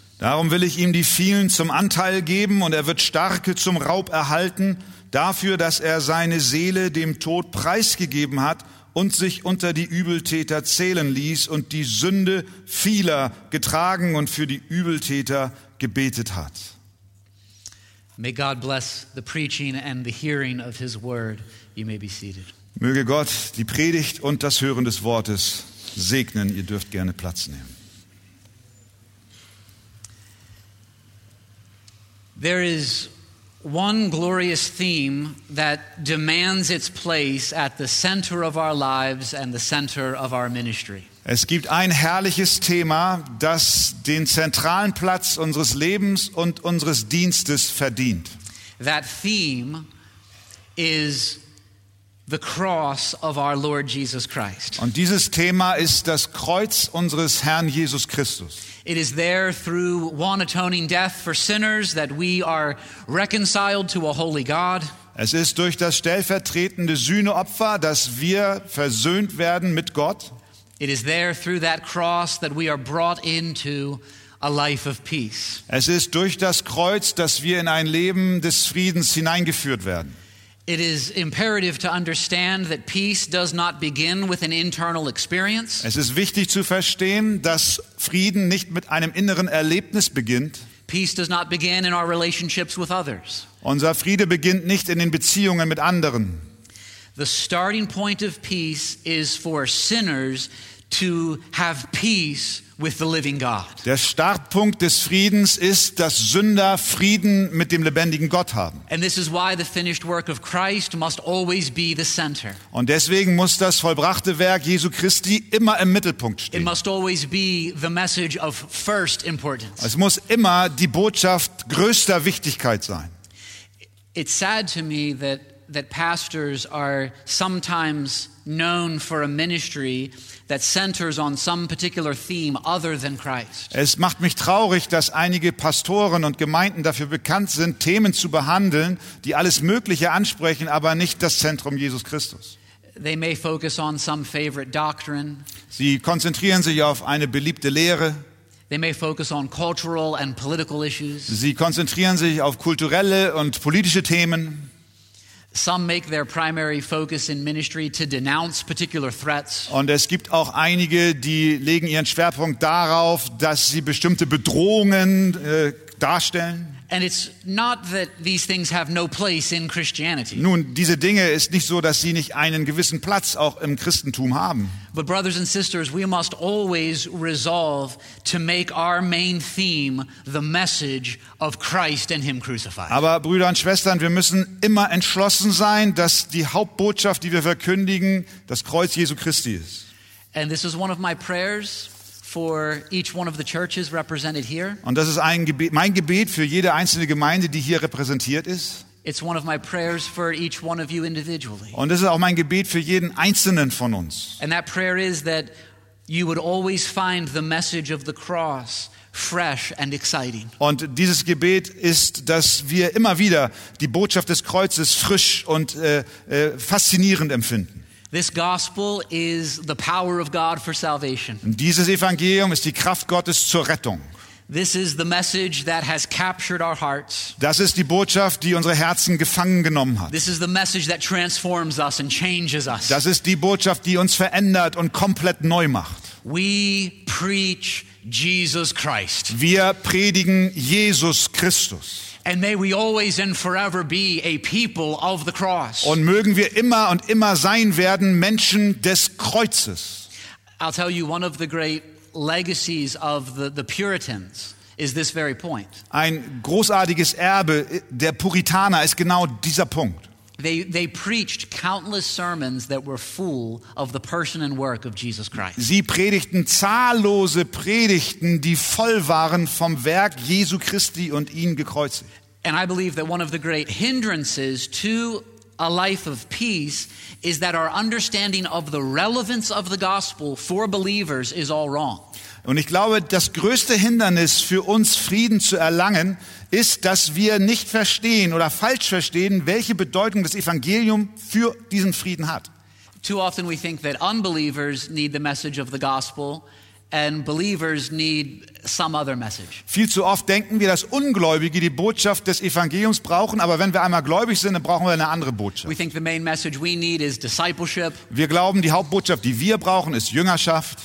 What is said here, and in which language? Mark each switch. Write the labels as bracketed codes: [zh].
[de] Darum will ich ihm die vielen zum Anteil geben, und wird Starke zum Raub erhalten, dafür, dass seine Seele dem Tod preisgegeben hat und sich unter die Übeltäter zählen ließ und die Sünde vieler getragen und für die Übeltäter gebetet hat. [en] May God bless the preaching and the hearing of his word. You may be seated. [de] Möge Gott die Predigt und das Hören des Wortes segnen. Ihr dürft gerne Platz nehmen. [en] There is one glorious theme that demands its place at the center of our lives and the center of our ministry. [de] Es gibt ein herrliches Thema, das den zentralen Platz unseres Lebens und unseres Dienstes verdient. [en] That theme is the cross of our Lord Jesus Christ. [de] Und dieses Thema ist das Kreuz unseres Herrn Jesus Christus. [en] It is there through one atoning death for sinners that we are reconciled to a holy God. [de] Es ist durch das stellvertretende Sühneopfer, dass wir versöhnt werden mit Gott. [en] It is there through that cross that we are brought into a life of peace. [de] Es ist durch das Kreuz, dass wir in ein Leben des Friedens hineingeführt werden. [en] It is imperative to understand that peace does not begin with an internal experience. [de] Es ist wichtig zu verstehen, dass Frieden nicht mit einem inneren Erlebnis beginnt. [en] Peace does not begin in our relationships with others. [de] Unser Friede beginnt nicht in den Beziehungen mit anderen. [en] The starting point of peace is for sinners to have peace with the living God. [de] Der Startpunkt des Friedens ist, dass Sünder Frieden mit dem lebendigen Gott haben. [en] And this is why the finished work of Christ must always be the center. [de] Und deswegen muss das vollbrachte Werk Jesu Christi immer im Mittelpunkt stehen. [en] It must always be the message of first importance. [de] Es muss immer die Botschaft größter Wichtigkeit sein. [en] It's sad to me that pastors are sometimes known for a ministry that centers on some particular theme other than Christ. [de] Es macht mich traurig, dass einige Pastoren und Gemeinden dafür bekannt sind, Themen zu behandeln, die alles Mögliche ansprechen, aber nicht das Zentrum Jesus Christus. [en] They may focus on some favorite doctrine. [de] Sie konzentrieren sich auf eine beliebte Lehre. [en] They may focus on cultural and political issues. [de] Sie konzentrieren sich auf kulturelle und politische Themen. [en] Some make their primary focus in ministry to denounce particular threats. [de] Und es gibt auch einige, die legen ihren Schwerpunkt darauf, dass sie bestimmte Bedrohungen darstellen. [en] And it's not that these things have no place in Christianity. [de] Nun, diese Dinge ist nicht so, dass sie nicht einen gewissen Platz auch im Christentum haben. [en] But brothers and sisters, we must always resolve to make our main theme the message of Christ and Him crucified. [de] Aber Brüder und Schwestern, wir müssen immer entschlossen sein, dass die Hauptbotschaft, die wir verkündigen, das Kreuz Jesu Christi ist. [en] And this is one of my prayers for each one of the churches represented here. [de] Und das ist mein Gebet für jede einzelne Gemeinde, die hier repräsentiert ist. [en] It's one of my prayers for each one of you individually. [de] Und das ist auch mein Gebet für jeden einzelnen von uns. [en] And that prayer is that you would always find the message of the cross fresh and exciting. [de] Und dieses Gebet ist, dass wir immer wieder die Botschaft des Kreuzes frisch und faszinierend empfinden. [en] This gospel is the power of God for salvation. [de] Dieses Evangelium ist die Kraft Gottes zur Rettung. [en] This is the message that has captured our hearts. [de] Das ist die Botschaft, die unsere Herzen gefangen genommen hat. [en] This is the message that transforms us and changes us. [de] Das ist die Botschaft, die uns verändert und komplett neu macht. [en] We preach Jesus Christ. [de] Wir predigen Jesus Christus. [en] And may we always and forever be a people of the cross. [de] Und mögen wir immer und immer sein werden Menschen des Kreuzes. [en] I'll tell you one of the great legacies of the Puritans is this very point. [de] Ein großartiges Erbe der Puritaner ist genau dieser Punkt. [en] They preached countless sermons that were full of the person and work of Jesus Christ. [de] Sie predigten zahllose Predigten, die voll waren vom Werk Jesu Christi und ihn gekreuzigt. [en] And I believe that one of the great hindrances to a life of peace is that our understanding of the relevance of the gospel for believers is all wrong. [de] Und ich glaube, das größte Hindernis für uns Frieden zu erlangen, ist, dass wir nicht verstehen oder falsch verstehen, welche Bedeutung das Evangelium für diesen Frieden hat. [en] Too often we think that unbelievers need the message of the gospel and believers need some other message. [de] Viel zu oft denken wir, dass Ungläubige die Botschaft des Evangeliums brauchen, aber wenn wir einmal gläubig sind, dann brauchen wir eine andere Botschaft. [en] We think the main message we need is discipleship. [de] Wir glauben, die Hauptbotschaft, die wir brauchen, ist Jüngerschaft.